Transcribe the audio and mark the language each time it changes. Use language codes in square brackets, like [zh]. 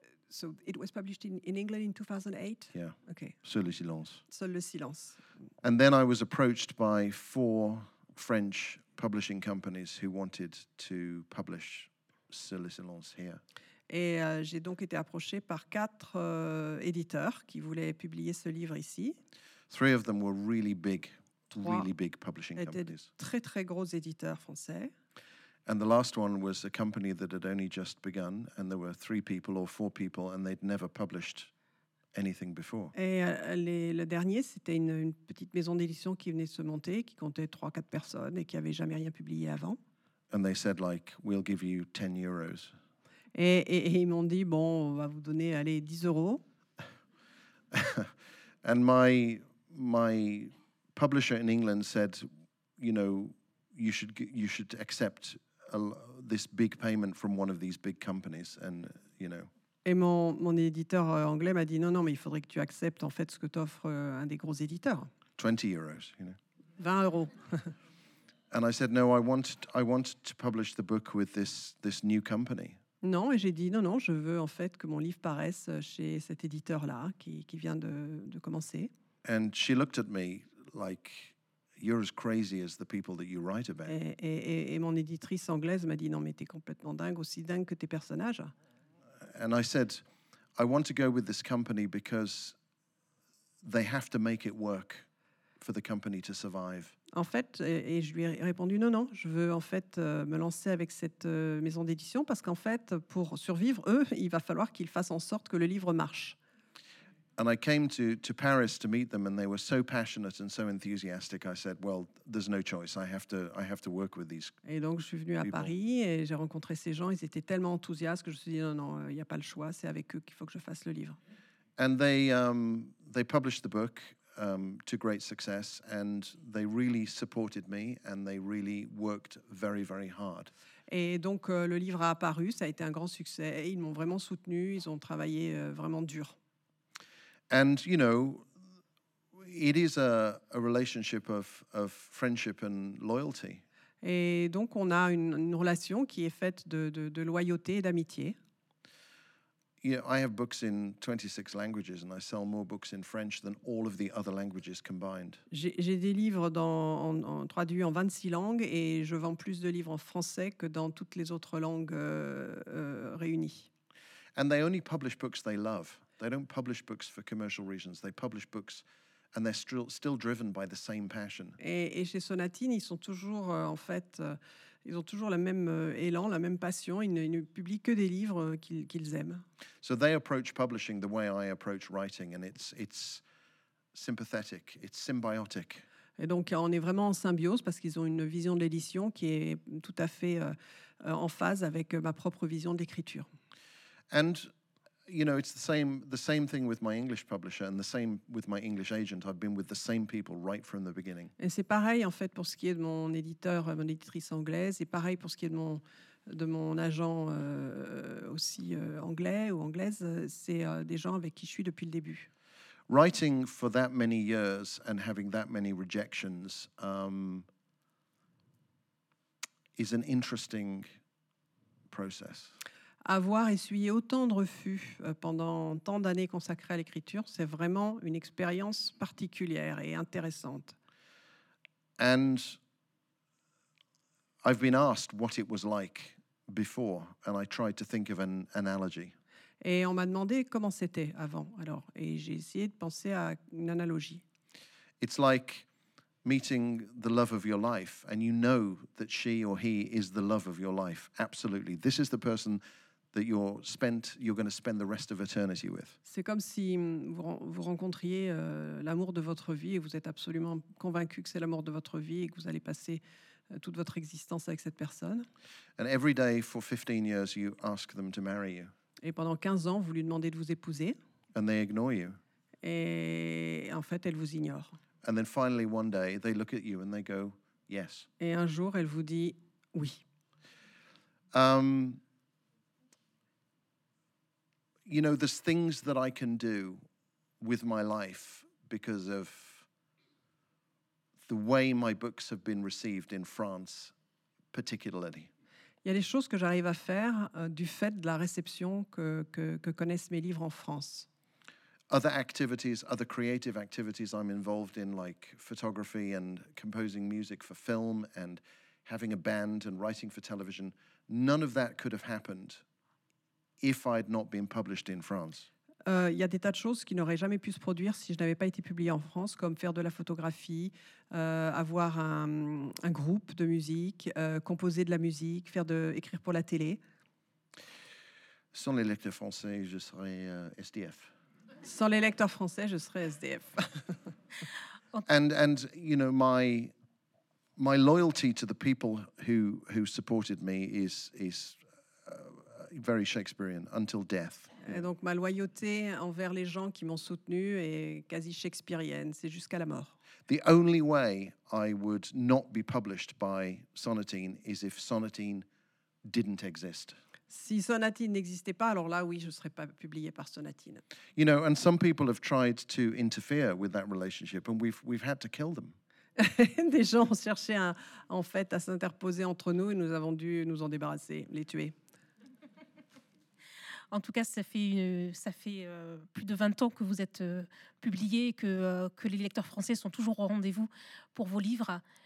[en] So it was published in England in 2008? Yeah. Okay. [fr] Seul le silence. Seul le silence. [en] And then I was approached by four French publishing companies who wanted to publish Seul le silence here. [fr] Et j'ai donc été approché par quatre éditeurs qui voulaient publier ce livre ici. [en] Three of them were really big, publishing [fr] étaient [en] companies. [fr] Très très gros éditeurs français. [en] And the last one was a company that had only just begun, and there were three people or four people, and they'd never published anything before. [fr] Et le dernier, c'était une petite maison d'édition qui venait se monter, qui comptait 3-4 personnes et qui avait jamais rien publié avant. [en] And they said, like, we'll give you 10 euros. [fr] Et ils m'ont dit, bon, on va vous donner, allez, 10 euros. [en] And my publisher in England said, you know, you should accept this big payment from one of these big companies, and you know. [fr] Et mon éditeur anglais m'a dit non, mais il faudrait que tu acceptes en fait ce que t'offre un des gros éditeurs. [en] 20 euros, you know. [fr] 20 euros. [en] And I said no, I wanted to publish the book with this new company. [fr] Non, et j'ai dit non, je veux en fait que mon livre paraisse chez cet éditeur là qui vient de commencer. [en] And she looked at me like, you're as crazy as the people that you write about. [fr] Et mon éditrice anglaise m'a dit non mais t'es complètement dingue, aussi dingue que tes personnages. [en] And I said, I want to go with this company because they have to make it work for the company to survive. [fr] En fait, et je lui ai répondu non, je veux en fait me lancer avec cette maison d'édition parce qu'en fait pour survivre eux, il va falloir qu'ils fassent en sorte que le livre marche. [en] And I came to Paris to meet them, and they were so passionate and so enthusiastic. I said, "Well, there's no choice. I have to work with these." [fr] Et donc je suis venue à Paris et j'ai rencontré ces gens. Ils étaient tellement enthousiastes que je me suis dit, non, il n'y a pas le choix. C'est avec eux qu'il faut que je fasse le livre. [en] And they published the book to great success, and they really supported me, and they really worked very, very hard. [fr] Et donc le livre a apparu. Ça a été un grand succès. Ils m'ont vraiment soutenu. Ils ont travaillé vraiment dur. [en] And you know, it is a relationship of friendship and loyalty. [fr] Et donc on a une relation qui est faite de loyauté et d'amitié. [en] Yeah, I have books in 26 languages, and I sell more books in French than all of the other languages combined. [fr] J'ai des livres en traduits en 26 langues, et je vends plus de livres en français que dans toutes les autres langues réunies. [en] And they only publish books they love. They don't publish books for commercial reasons. They publish books, and they're still driven by the same passion. [fr] Et chez Sonatine, ils sont toujours en fait, ils ont toujours le même élan, la même passion. Ils ne publient que des livres qu'ils aiment. [en] So they approach publishing the way I approach writing, and it's sympathetic. It's symbiotic. [fr] Et donc on est vraiment en symbiose parce qu'ils ont une vision de l'édition qui est tout à fait en phase avec ma propre vision de l'écriture. [en] And you know, it's the same thing with my English publisher and the same with my English agent. I've been with the same people right from the beginning. [fr] Et c'est pareil en fait pour ce qui est de mon éditeur, mon éditrice anglaise, et pareil pour ce qui est de mon de mon agent aussi anglais ou anglaise, c'est des gens avec qui je suis depuis le début. [en] Writing for that many years and having that many rejections is an interesting process. [fr] Avoir essuyé autant de refus pendant tant d'années consacrées à l'écriture, c'est vraiment une expérience particulière et intéressante. [en] And I've been asked what it was like before, and I tried to think of an analogy. [fr] Et on m'a demandé comment c'était avant, alors, et j'ai essayé de penser à une analogie. [en] It's like meeting the love of your life, and you know that she or he is the love of your life, absolutely. This is the person that you're going to spend the rest of eternity with. [fr] C'est comme si vous rencontriez l'amour de votre vie et vous êtes absolument convaincu que c'est l'amour de votre vie et que vous allez passer toute votre existence avec cette personne. [en] And every day for 15 years you ask them to marry you. [fr] Et pendant 15 ans vous lui demandez de vous épouser. [en] And they ignore you. [fr] Et en fait, elle vous ignore. [en] And then finally one day they look at you and they go, "Yes." [fr] Et un jour, elle vous dit oui. [en] You know, there's things that I can do with my life because of the way my books have been received in France, particularly. [fr] Il y a des choses que j'arrive à faire du fait de la réception que connaissent mes livres en France. [en] Other activities, other creative activities I'm involved in, like photography and composing music for film and having a band and writing for television, none of that could have happened if I'd not been published in France. [fr] Il y a des tas de choses qui n'auraient jamais pu se produire si je n'avais pas été publié en France, comme faire de la photographie, avoir un groupe de musique, composer de la musique, écrire pour la télé. Sans les lecteurs français, je serais SDF. Sans les lecteurs français, je serais SDF. [en] and you know, my loyalty to the people who supported me is very Shakespearean until death. [fr] Et donc ma loyauté envers les gens qui m'ont soutenu est quasi shakespearienne, c'est jusqu'à la mort. [en] The only way I would not be published by Sonatine is if Sonatine didn't exist. [fr] Si Sonatine n'existait pas, alors là oui, je serais pas publié par Sonatine. [en] You know, and some people have tried to interfere with that relationship and we've had to kill them. [fr] Des gens ont cherché à s'interposer entre nous et nous avons dû nous en débarrasser, les tuer. En tout cas, ça fait plus de 20 ans que vous êtes publié, que les lecteurs français sont toujours au rendez-vous pour vos livres.